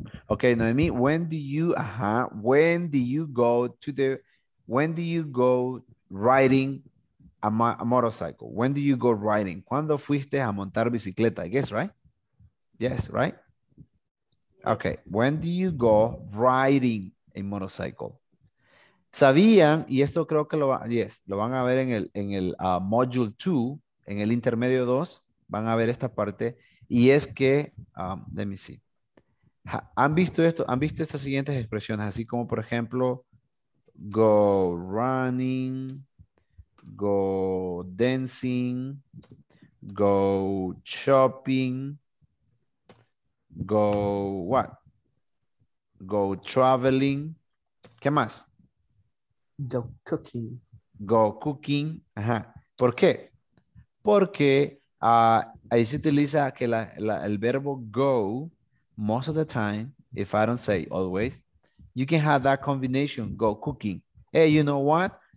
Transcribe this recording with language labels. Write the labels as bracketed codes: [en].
[en] Okay, Noemi, when do you go riding a motorcycle? When do you go riding? [es] ¿Cuándo fuiste a montar bicicleta? [en] I guess, right? Yes, right? Yes. Okay, when do you go riding a motorcycle? [es] Sabían, y esto creo que lo van a ver en el module 2, en el intermedio 2, van a ver esta parte, y es que, [en] let me see. [es] ¿Han visto esto? ¿Han visto estas siguientes expresiones? Así como, por ejemplo, [en] go running, go dancing, go shopping, go what? Go traveling. [es] ¿Qué más? [en] Go cooking. Go cooking. [es] Ajá. ¿Por qué? Porque ahí se utiliza que el verbo go... [en] Most of the time, if I don't say always, you can have that combination, go cooking. Hey, you know what?